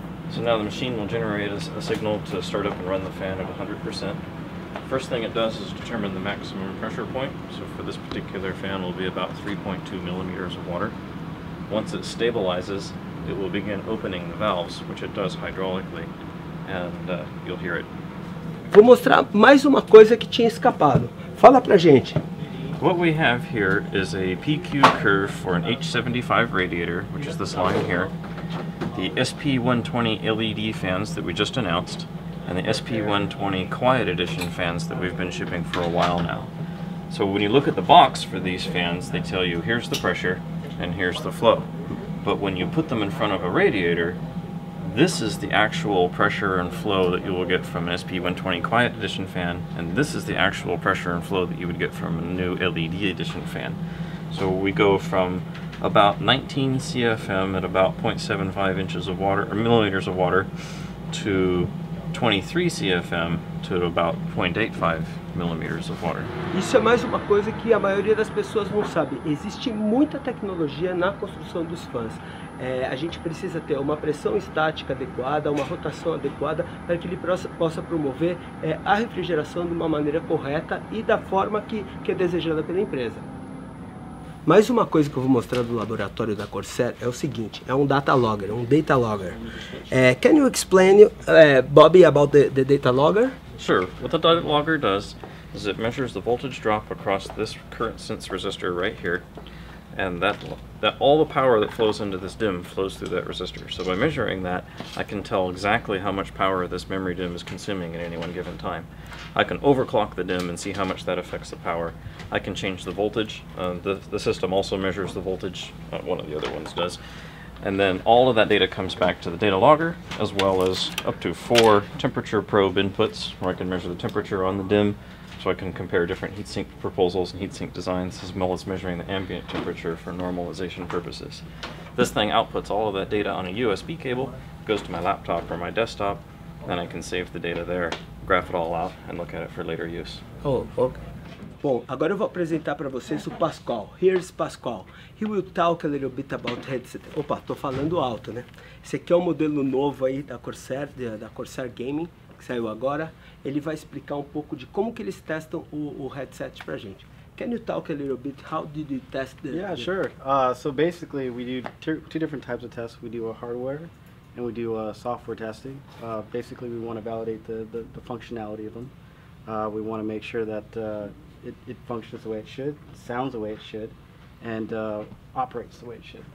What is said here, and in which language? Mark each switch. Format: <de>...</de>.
<en>So now the machine will generate a signal to start up and run the fan at 100%. First thing it does is determine the maximum pressure point. So for this particular fan, it'll be about 3.2 millimeters of water. Once it stabilizes, it will begin opening the valves, which it does hydraulically, and you'll hear it.</en> <pt>Vou mostrar mais uma coisa que tinha escapado. Fala pra gente.</pt> <en>What we have here is a PQ curve for an H75 radiator, which is this line here, the SP120 LED fans that we just announced, and the SP120 Quiet Edition fans that we've been shipping for a while now. So when you look at the box for these fans, they tell you here's the pressure and here's the flow. But when you put them in front of a radiator, this is the actual pressure and flow that you will get from an SP120 Quiet Edition fan, and this is the actual pressure and flow that you would get from a new LED Edition fan. So we go from about 19 CFM at about 0.75 inches of water, or millimeters of water, to 23 CFM to about 0.85 millimeters of water.</en> <pt>Isso é mais uma coisa que a maioria das pessoas não sabe. Existe muita tecnologia na construção dos fãs. É, a gente precisa ter uma pressão estática adequada, uma rotação adequada, para que ele possa promover a refrigeração de uma maneira correta e da forma que é desejada pela empresa. Mais uma coisa que eu vou mostrar do laboratório da Corsair é o seguinte, é um data logger, um data logger.</pt> <en>Can you explain, Bobby, about the data logger? Sure. What the data logger does is it measures the voltage drop across this current sense resistor right here, and that all the power that flows into this DIMM flows through that resistor. So by measuring that, I can tell exactly how much power this memory DIMM is consuming at any one given time. I can overclock the DIMM and see how much that affects the power. I can change the voltage. The system also measures the voltage, one of the other ones does. And then all of that data comes back to the data logger, as well as up to 4 temperature probe inputs, where I can measure the temperature on the DIMM, so I can compare different heatsink proposals and heatsink designs, as well as measuring the ambient temperature for normalization purposes. This thing outputs all of that data on a USB cable, goes to my laptop or my desktop, and I can save the data there, graph it all out, and look at it for later use. Oh, okay.</en> <pt>Bom, agora eu vou apresentar para vocês o Pascoal.</pt> <en>Here's Pascoal. He will talk a little bit about headset.</en> <pt>Opa, tô falando alto, né? Esse aqui é o modelo novo aí da Corsair, da Corsair Gaming, que saiu agora. Ele vai explicar um pouco de como que eles testam o headset pra gente.</pt> <en>Can you talk a little bit, how did you test the... Yeah, sure. So basically, we do two different types of tests. We do a hardware and we do a software testing. Basically, we want to validate the functionality of them. We want to make sure that... It functions the way it should, sounds the way it should, and operates the way it should.</en>